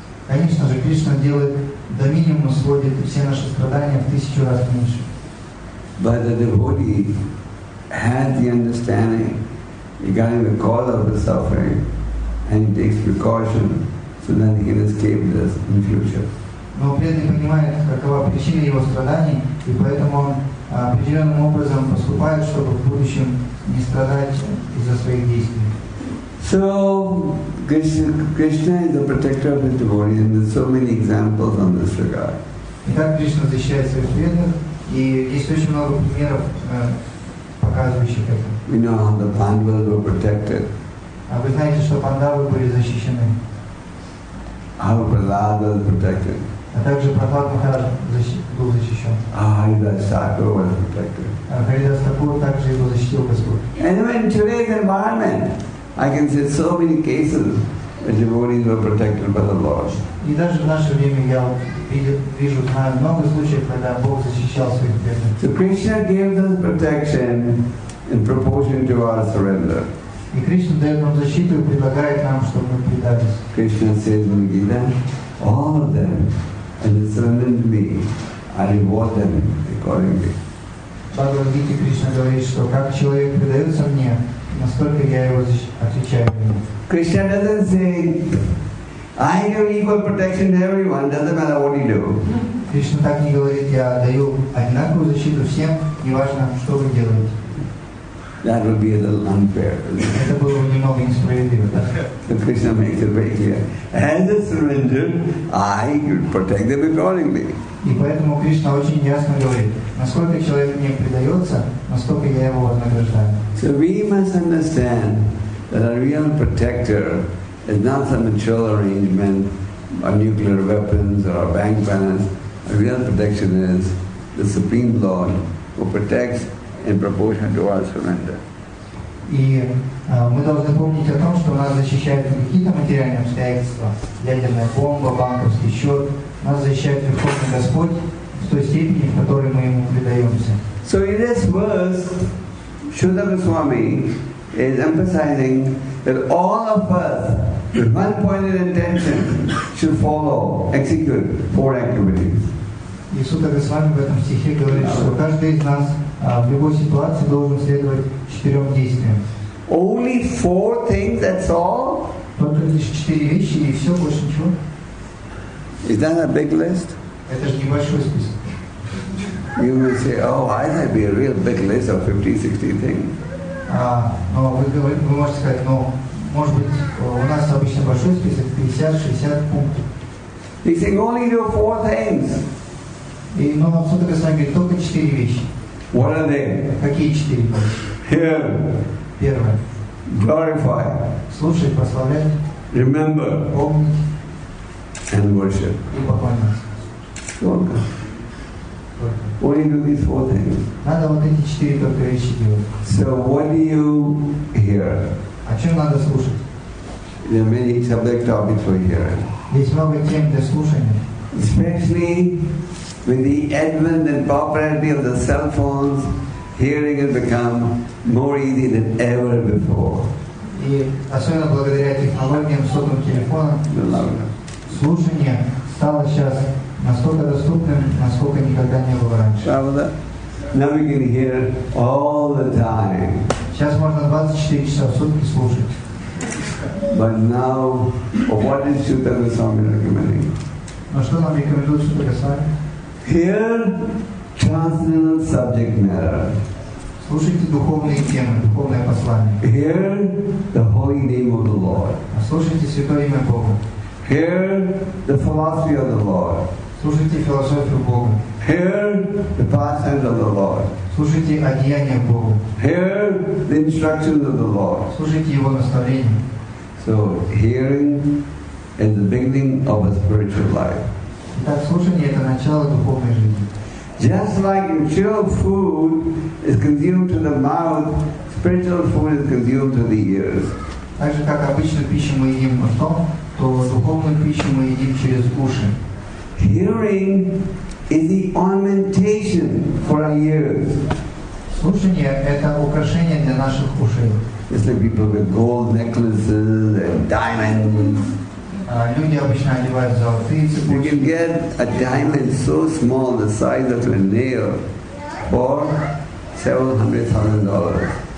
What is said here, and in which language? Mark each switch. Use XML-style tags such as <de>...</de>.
<ru>Конечно же, Кришна делает до минимума, сводит все наши страдания в 1000 раз меньше.</ru> <en>But the devotee has the understanding regarding the cause of the suffering and he takes precaution so that he can escape this in the future.</en> <ru>Но преданный понимает, какова причина его страданий, и поэтому он определенным образом поступает, чтобы в будущем не страдать из-за своих действий.</ru> <en>So, Krishna is the protector of his devotees, and there's so many examples on this regard.</en> <ru>Итак, Кришна защищает своих преданных, и есть очень много примеров, показывающих это.</ru> <en>We know how the Pandavas were protected.</en> <ru>А вы знаете, что Пандавы были защищены?</ru> <en>How Prahlada was protected.</en> <ru>А также Прохлад Махарадж был защищен.</ru> <en>Харидас Такур was protected.</en> <ru>Харидас Такур также его защитил Господь.</ru> <en>Anyway, in today's environment, I can see so many cases where devotees were protected by the Lord.</en> <ru>И даже в наше время я вижу, знаю много случаев, когда Бог защищал своих преданных.</ru> <en>So Krishna gave us protection in proportion to our surrender.</en> <ru>И Кришна дает нам защиту и предлагает нам, чтобы мы предались.</ru> <en>Krishna says in Gita, all of them, and they surrender to me, I reward them accordingly.</en> <ru>Бхагавад-гита Кришна говорит, что как человек предается мне, настолько я его отвечаю ему.</ru> <en>Krishna doesn't say, I give equal protection to everyone, doesn't matter what you do.</en> <ru>Кришна так не говорит, я даю одинаковую защиту всем, неважно, что вы делаете.</ru> <en>That would be a little unfair.</en> <ru>Это было немного несправедливо.</ru> <en>So Krishna makes it very clear. As a surrender, I would protect them accordingly.</en> <ru>И поэтому Кришна очень ясно говорит, насколько человек мне предается, настолько я его вознаграждаю.</ru> <en>So we must understand that a real protector is not some material arrangement, or nuclear weapons, or a bank balance. A real protection is the Supreme Lord who protects in proportion to our surrender.</en> <ru>И мы должны помнить о том, что нас защищают не какие-то материальные обстоятельства, ядерная бомба, банковский счет. Нас защищает Верховный Господь в той степени, в которой мы Ему предаемся.</ru> <en>So in this verse, Shuddha Goswami is emphasizing that all of us, with one pointed intention, should follow, execute four activities.</en> <ru>И Шуда Госвами в этом стихе говорит, что каждый из нас в любой ситуации должен следовать четырем действиям.</ru> <en>Only four things, that's all?</en> <ru>Только лишь четыре вещи и все, больше ничего.</ru> <en>Is that a big list?</en> <ru>Это же небольшой список.</ru> <en>You may say, oh, that'd be a real big list of 50-60 things.</en> <ru>Но вы можете сказать, ну, может быть, у нас обычно большой список, 50-60 пунктов.</ru> <en>He's saying, only do four things.</en> <ru>И, но Сутра Госвами говорит, только четыре вещи.</ru> <en>What are they?</en> <ru>Какие четыре вещи?</ru> <en>Hear.</en> <ru>Первое.</ru> <en>Glorify.</en> <ru>Слушай, прославляй.</ru> <en>Remember.</en> <ru>Помнить.</ru> <en>And worship.</en> <ru>И поклоняться. Только.</ru> <en>Only do these four things.</en> <ru>Надо вот эти четыре только вещи делать.</ru> <en>So what do you hear?</en> <ru>О чем надо слушать?</ru> <en>There are many subject topics for hearing.</en> <ru>Есть много тем для слушания.</ru> <en>Especially with the advent and popularity of the cell phones, hearing has become more easy than ever before.</en> <ru>И особенно благодаря технологиям сотовым телефонам, слушание стало сейчас настолько доступным, насколько никогда не было раньше.</ru> <en>Now we can hear all the time.</en> <ru>Сейчас можно 24 часа в сутки слушать.</ru> <en>But now, what is Sutta Goswami recommending?</en> <ru>Но что нам рекомендует Сутра Госвами?</ru> <en>Hear transcendental subject matter.</en> <ru>Слушайте духовные темы, духовное послание.</ru> <en>Hear the holy name of the Lord.</en> <ru>Слушайте святое имя Бога.</ru> <en>Hear the philosophy of the Lord.</en> <ru>Слушайте философию Бога.</ru> <en>Hear the pastimes of the Lord.</en> <ru>Слушайте одеяния Бога.</ru> <en>Hear the instructions of the Lord.</en> <ru>Слушайте Его наставления.</ru> <en>So hearing is the beginning of a spiritual life.</en> <ru>Итак, слушание — это начало духовной жизни.</ru> <en>Just like material food is consumed to the mouth, spiritual food is consumed to the ears.</en> <ru>Так же, как обычную пищу мы едим ртом, то духовную пищу мы едим через уши.</ru> <en>Hearing is the ornamentation for our ears.</en> <ru>Слушание — это украшение для наших ушей.</ru> <en>It's like people with gold necklaces and diamonds. You can get a diamond so small, the size of a nail, for $700,000.</en>